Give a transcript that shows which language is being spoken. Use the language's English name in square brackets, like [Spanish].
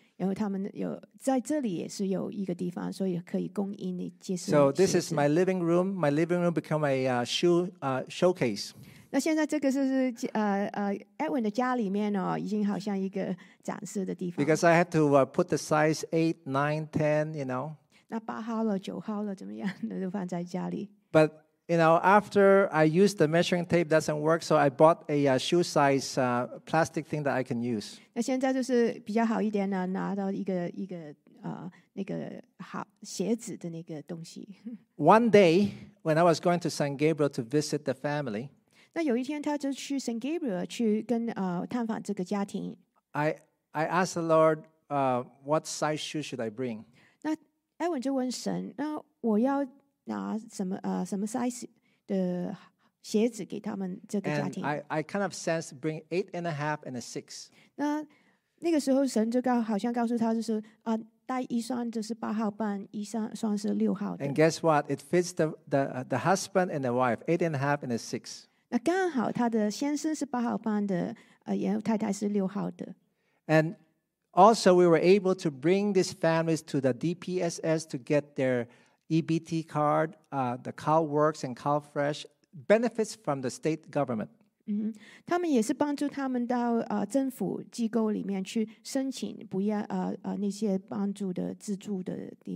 [Chinese] 然后他们有在这里也是有一个地方，所以可以供应你接受。 [English] So this is my living room. My living room become a showcase. [Chinese] 那现在这个是Edwin 的家里面哦，已经好像一个展示的地方。 [English] Because I have to put the size 8, 9, 10, you know. [Chinese] 那八号了，九号了，怎么样？那就放在家里。 [English] But you know, after I used the measuring tape, doesn't work, so I bought a shoe size plastic thing that I can use. [Chinese] 那现在就是比较好一点了，拿到一个那个好鞋子的那个东西。 [English] One day when I was going to San Gabriel to visit the family, [Chinese] 那有一天他就去 San Gabriel 去跟探访这个家庭。 [English] I asked the Lord, what size shoe should I bring? [Chinese] 那艾文就问神，那我要拿什么 size 的鞋子给他们这个家庭。 [English] And I kind of sense bring 8.5 and a 6. [Chinese] 那个时候神就好像告诉他就是带一双就是八号半，一双是六号的。 [English] And guess what? It fits the husband and the wife 8.5 and a 6. [Chinese] 那刚好他的先生是八号半的，然后太太是六号的。 [English] And also we were able to bring these families to the DPSS to get their EBT card, the CalWORKS and CalFresh benefits from the state government. [Chinese] 他们也是帮助他们到政府机构里面去申请不要那些帮助的资助的